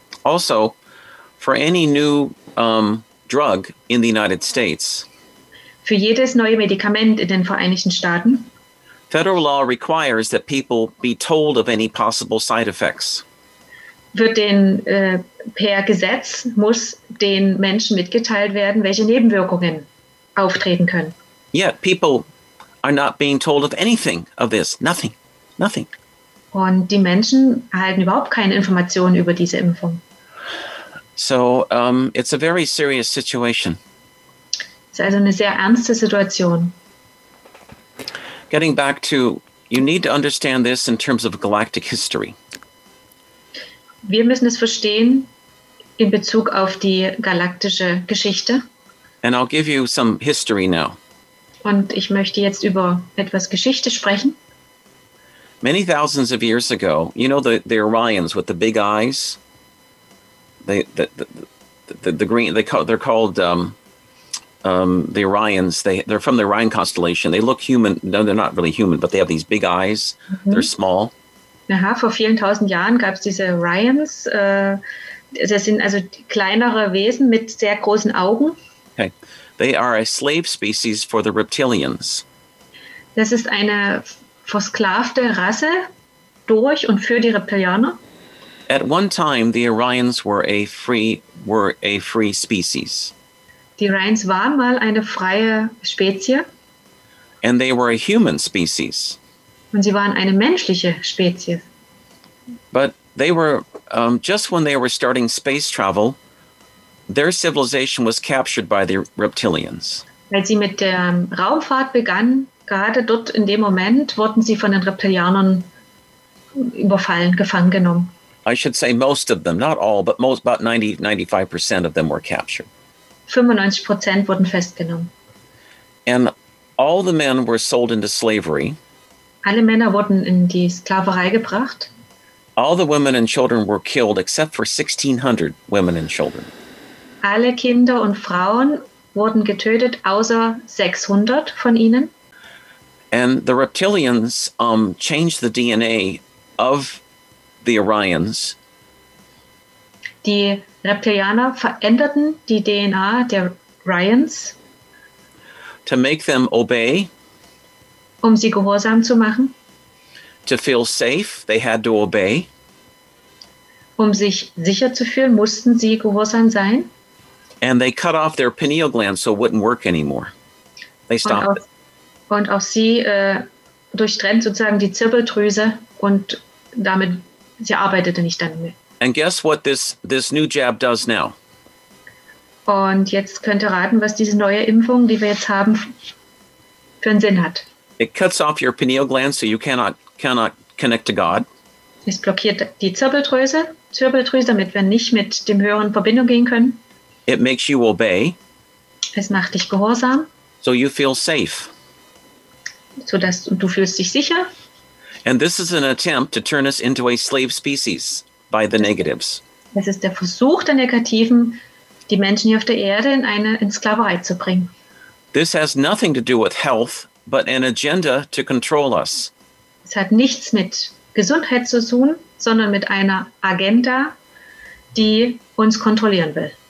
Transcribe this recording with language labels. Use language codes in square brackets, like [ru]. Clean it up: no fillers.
[en] Also, for any new drug in the United States. [de] Für jedes neue Medikament in den Vereinigten Staaten. [en] Federal law requires that people be told of any possible side effects. [de] Wird den per Gesetz muss den Menschen mitgeteilt werden, welche Nebenwirkungen auftreten können. [en] Yet people are not being told of anything of this. Nothing. Nothing. [de] Und die Menschen erhalten überhaupt keine Informationen über diese Impfung. [en] So it's a very serious situation. [de] Es ist also eine sehr ernste Situation. [en] Getting back to, you need to understand this in terms of galactic history. [de] Wir müssen es verstehen in Bezug auf die galaktische Geschichte. [en] And I'll give you some history now. [de] Und ich möchte jetzt über etwas Geschichte sprechen. [en] Many thousands of years ago, you know the Orions with the big eyes? The green, they're called the Orions. They're from the Orion constellation. They look human. No, they're not really human, but they have these big eyes. Mm-hmm. They're small. [de] Aha, vor vielen tausend Jahren gab es diese Orions. Das sind also kleinere Wesen mit sehr großen Augen. [en] Okay. They are a slave species for the reptilians. [de] Das ist eine versklavte Rasse durch und für die Reptilianer. [en] At one time, the Orions were a free species. [de] Die Orions waren mal eine freie Spezies. [en] And they were a human species. [de] Und sie waren eine menschliche Spezies. [en] But they were, just when they were starting space travel, their civilization was captured by the reptilians. [de] Als sie mit der Raumfahrt begannen, gerade dort in dem Moment, wurden sie von den Reptilianern überfallen, gefangen genommen. [en] I should say most of them, not all, but most, about 90-95% of them were captured. [de] 95% wurden festgenommen. [en] And all the men were sold into slavery. [de] Alle Männer wurden in die Sklaverei gebracht. [en] All the women and children were killed, except for 1,600 women and children. [de] Alle Kinder und Frauen wurden getötet, außer 600 von ihnen. [en] And the reptilians changed the DNA of the Orions. [de] Die Reptilianer veränderten die DNA der Orions. [en] To make them obey. [de] Um sie gehorsam zu machen. [en] To feel safe, they had to obey. [de] Um sich sicher zu fühlen, mussten sie gehorsam sein. [en] And they cut off their pineal gland so it wouldn't work anymore. They stopped. [de] Und auch sie durchtrennt sozusagen die Zirbeldrüse und damit sie arbeitete nicht dann mehr. [en] And guess what this new jab does now? [de] Und jetzt könnt ihr raten, was diese neue Impfung, die wir jetzt haben, für einen Sinn hat. [en] It cuts off your pineal gland so you cannot connect to God. [de] Es blockiert die Zirbeldrüse, damit wir nicht mit dem Höheren Verbindung gehen können. [en] It makes you obey. [de] Es macht dich gehorsam. [en] So you feel safe. [de] So dass du fühlst dich sicher. [en] And this is an attempt to turn us into a slave species by the negatives. [de] Das ist der Versuch der Negativen, die Menschen hier auf der Erde in Sklaverei zu bringen. [en] This has nothing to do with health, but an agenda to control us. [de] Es hat nichts mit Gesundheit zu tun, sondern mit einer Agenda, die uns kontrollieren will.